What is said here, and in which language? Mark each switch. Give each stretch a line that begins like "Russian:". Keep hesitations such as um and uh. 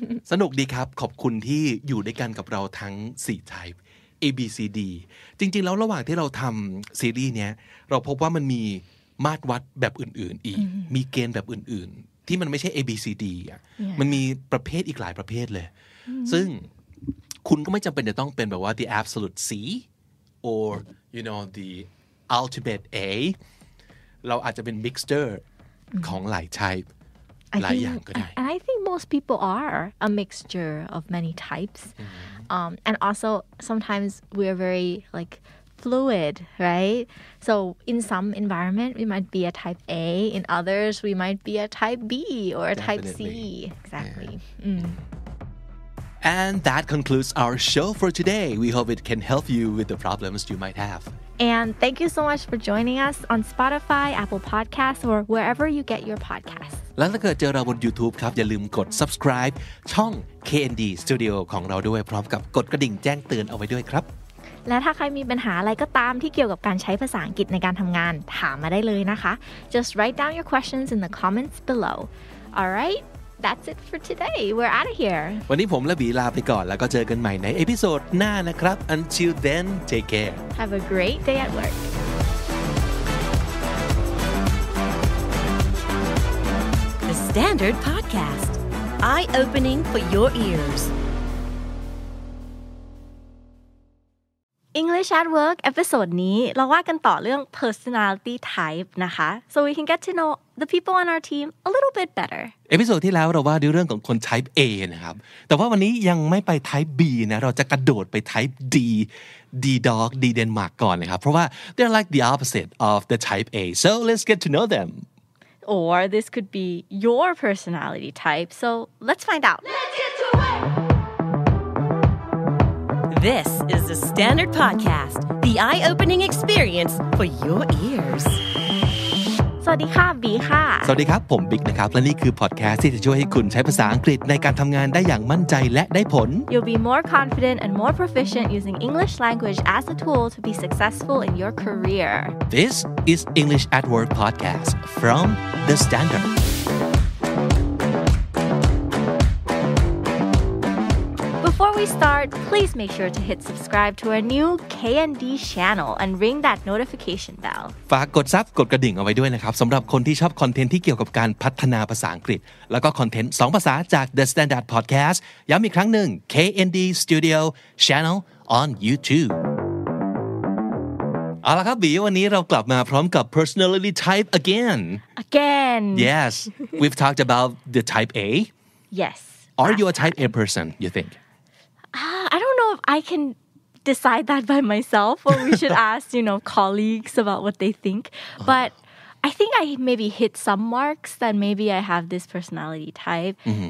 Thai: สนุกดีครับ ขอบคุณที่อยู่ด้วยกันกับเราทั้ง 4 type A B C D จริงๆ แล้วระหว่างที่เราทำซีรีส์เนี้ยเราพบว่ามันมีมาตรวัดแบบอื่น ๆ อีก มีเกณฑ์แบบอื่น ๆ ที่มันไม่ใช่ A B C D อ่ะมันมีประเภทอีกหลายประเภทเลย ซึ่งคุณก็ไม่จำเป็นจะต้องเป็นแบบว่า
English: the absolute C or you know the ultimate A
Thai: เราอาจจะเป็น mixer ของหลาย and
English: I think most people are a mixture of many types um, and also sometimes we are very like fluid right so in some environment we might be a type A in others we might be a type B or a Definitely. type C exactly yeah. Mm. Yeah. And that concludes our show for today. We hope it can help you with the problems you might have. And thank you so much for joining us on Spotify, Apple Podcasts, or wherever you get your podcasts.
Thai: และถ้าเกิดเจอเราบน YouTube ครับ อย่าลืมกด subscribe ช่อง KND Studio ของเราด้วยพร้อมกับกดกระดิ่งแจ้งเตือนเอาไว้ด้วยครับ และถ้าใครมีปัญหาอะไรก็ตามที่เกี่ยวกับการใช้ภาษาอังกฤษในการทำงานถามมาได้เลยนะคะ
English: Just write down your questions in the comments below. All right. that's it for today we're out of here
Thai: วันนี้ผมและบีลาไปก่อนแล้วก็เจอกันใหม่ในเอพิโซดหน้านะครับ
English: until then take care have a great day at work the standard podcast eye opening for your ears English at work
Thai: เอพิโซดนี้เราว่ากันต่อเรื่อง
English: personality type นะคะ so we can get to know the people on our team a little bit better
Thai: เอพิโซดที่แล้วเราว่าดูเรื่องของคน type A นะครับ แต่ว่าวันนี้ยังไม่ไป type B นะ เราจะกระโดดไป type D D dog D Denmark ก่อนเลยครับ เพราะว่า
English: they're like the opposite of the type A so let's get to know them or this could be your personality type so let's find out let's get to w o This is the Standard Podcast, the eye-opening experience for your ears.
Thai: สวัสดีค่ะบีค่ะ สวัสดีครับผมบิ๊กนะครับ และนี่คือพอดแคสต์ที่จะช่วยให้คุณใช้ภาษาอังกฤษในการทำงานได้อย่างมั่นใจและได้ผล
English: You'll be more confident and more proficient using English language as a tool to be successful in your career. This is English at Work podcast from the Standard. Before we start, please make sure to hit subscribe to our new KND channel and ring that notification bell.
Thai: ฝากกดซับกดกระดิ่งเอาไว้ด้วยนะครับสำหรับคนที่ชอบคอนเทนต์ที่เกี่ยวกับการพัฒนาภาษาอังกฤษ แล้วก็คอนเทนต์2ภาษาจาก The Standard Podcast ย้ำอีกครั้งหนึ่ง KND Studio Channel on YouTube. เอาละครับบีวันนี้เรากลับมาพร้อมกับ personality type again
English: again yes we've talked about the type A yes are you a type A person you think Uh, I don't know if I can decide that by myself or we should ask, you know, colleagues about what they think. Uh, but I think I maybe hit some marks that maybe I have this personality type, mm-hmm.